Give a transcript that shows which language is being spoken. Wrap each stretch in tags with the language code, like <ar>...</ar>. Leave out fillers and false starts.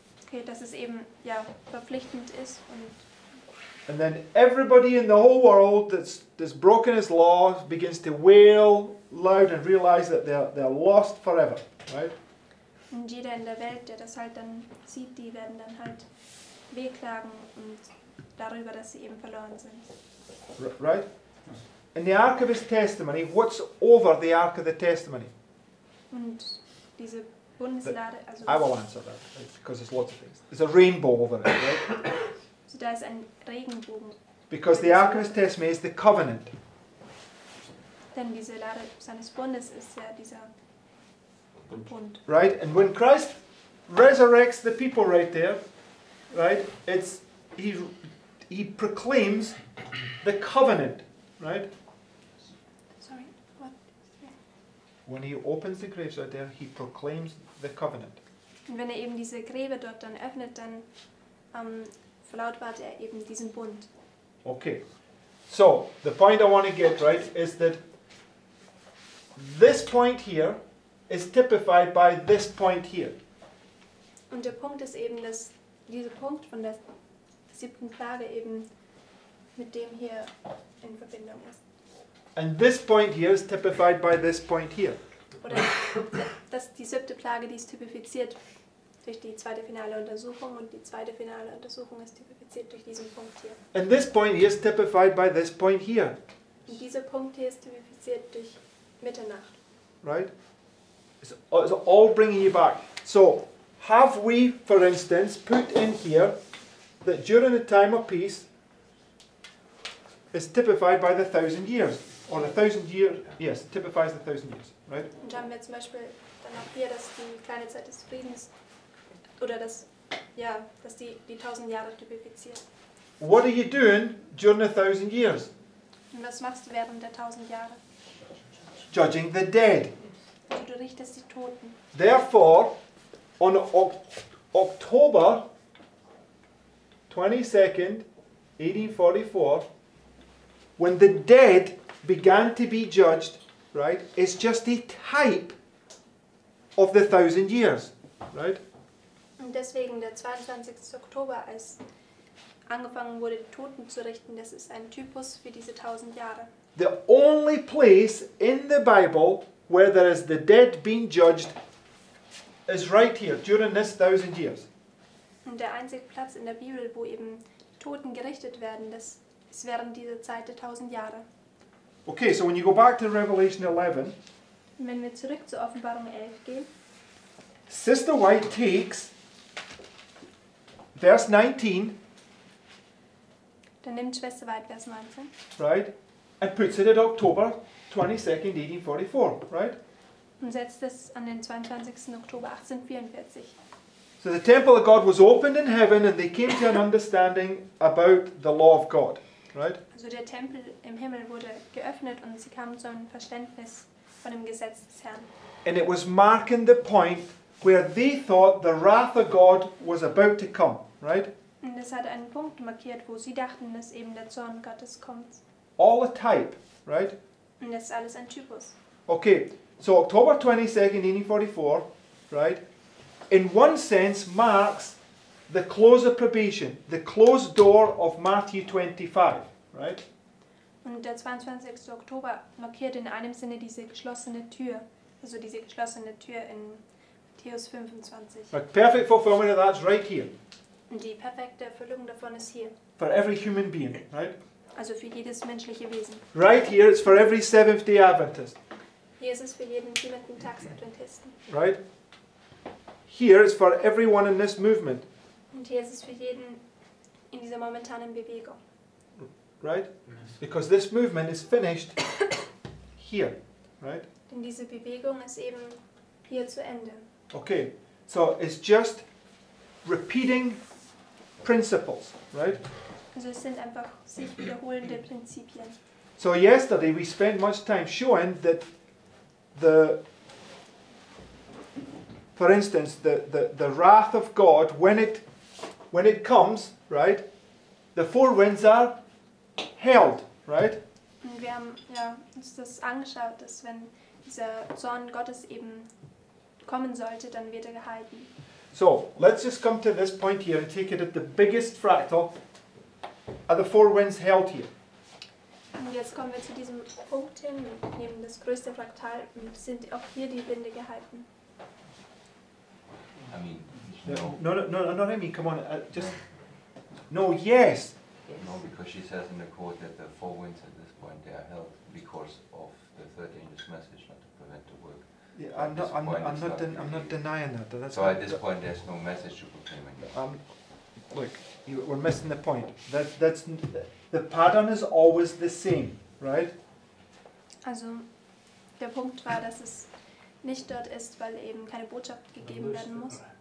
<de>Okay, dass es eben, ja, verpflichtend ist und...</de> <en>And then everybody in the whole world that's broken his law begins to wail loud and realize that they're lost forever, right?</en> <de>Und jeder in der Welt, der das halt dann sieht, die werden dann halt wehklagen und darüber, dass sie eben verloren sind.</de> <en>Right? In the Ark of his Testimony, what's over the Ark of the Testimony?</en> <de>Und diese Bundeslade, also...</de> <en>I will answer that, because there's lots of things. There's a rainbow over there, right?</en> <de>So da ist ein Regenbogen.</de> <en>Because the Ark of his Testimony is the covenant.</en> <de>Denn diese Lade seines Bundes ist ja dieser...</de> <en>Right, and when Christ resurrects the people right there, right, it's he proclaims the covenant, right? Sorry, what? When he opens the graves right there, he proclaims the covenant.</en> <de>Und wenn eben diese Gräber dort dann öffnet, dann verlautbart eben diesen Bund.</de> <en>Okay, so the point I want to get right is that this point here is typified by this point here.</en> <de>Und der Punkt ist eben, dass dieser Punkt von der siebten Plage eben mit dem hier in Verbindung ist.</de> <en>And this point here is typified by this point here.</en> <de>Oder dass die siebte Plage, die ist typifiziert durch die zweite finale Untersuchung und die zweite finale Untersuchung ist typifiziert durch diesen Punkt hier.</de> <en>And this point here is typified by this point here.</en> <de>Und dieser Punkt hier ist typifiziert durch Mitternacht.</de> <en>Right? It's all bringing you back. So, have we, for instance, put in here that during the time of peace is typified by the 1,000 years. Or the 1,000 years, yes, typifies the 1,000 years, right?</en> <de>Und haben wir zum Beispiel dann auch hier, dass die kleine Zeit des Friedens, oder dass, ja, dass die 1,000 Jahre typifiziert.</de> <en>What are you doing during the 1,000 years?</en> <de>Und was machst du während der 1,000 Jahre?</de> <en>Judging the dead.</en> <de>Und du richtest die Toten.</de> <en>Therefore, on October 22nd, 1844, when the dead began to be judged, right, it's just a type of the 1,000 years, right?</en> <de>Und deswegen der 22. Oktober, als angefangen wurde, die Toten zu richten, das ist ein Typus für diese 1,000 Jahre.</de> <en>The only place in the Bible where there is the dead being judged is right here, during this 1,000 years.</en> <de>Und der einzige Platz in der Bibel, wo eben Toten gerichtet werden, das ist während dieser Zeit der 1,000 Jahre.</de> <en>Okay, so when you go back to Revelation 11,</en> <de>wenn wir zurück zur Offenbarung 11 gehen,</de> <en>Sister White takes verse 19,</en> <de>dann nimmt Schwester White Vers 19,</de> <en>right, and puts it at October 22nd, 1844, right?</en> <de>Und setzt es an den 22. Oktober 1844.</de> <en>So the temple of God was opened in heaven and they came to an understanding about the law of God. Right.</en> <de>Also der Tempel im Himmel wurde geöffnet und sie kamen zu einem Verständnis von dem Gesetz des Herrn.</de> <en>And it was marking the point where they thought the wrath of God was about to come, right?</en> <de>Und es hat einen Punkt markiert, wo sie dachten, dass eben der Zorn Gottes kommt.</de> <en>All a type, right?</en> <de>Und das ist alles ein Typus.</de> <en>Okay, so October 22nd, 1844, right, in one sense marks the close of probation, the closed door of Matthew 25, right?</en> <de>Und der 22. Oktober markiert in einem Sinne diese geschlossene Tür, also diese geschlossene Tür in Matthäus 25.</de> <en>The perfect fulfillment of that is right here.</en> <de>Und die perfekte Erfüllung davon ist hier.</de> <en>For every human being, right?</en> <de>Also für jedes menschliche Wesen.</de> <en>Right here, it's for every Seventh-day Adventist.</en> <de>Hier ist es für jeden Siebenten-Tags-Adventisten.</de> <en>Right? Here, it's for everyone in this movement.</en> <de>Und hier ist es für jeden in dieser momentanen Bewegung.</de> <en>Right? Because this movement is finished here, right?</en> <de>Denn diese Bewegung ist eben hier zu Ende.</de> <en>Okay, so it's just repeating principles, right?</en> <de>Also es sind einfach sich wiederholende Prinzipien.</de> <en>So yesterday we spent much time showing that for instance, the wrath of God, when it comes, right, the four winds are held, right?</en> <de>Und wir haben ja, uns das angeschaut, dass wenn dieser Zorn Gottes eben kommen sollte, dann wird gehalten.</de> <en>So, let's just come to this point here and take it at the biggest fractal. Are the four winds held here?</en> <de>Und jetzt kommen wir zu diesem Punkt hin, nehmen das größte Fraktal und sind auch hier die Winde gehalten.</de> <en>Yes. No, because she says in the quote that the four winds at this point they are held because of the third angel's message, not to prevent the work. I'm not denying that. So at this point there's no message to proclaim anymore. We're missing the point. That's the pattern is always the same, right?</en> <de>Also, der Punkt war, dass es nicht dort ist, weil eben keine Botschaft gegeben werden muss.</de>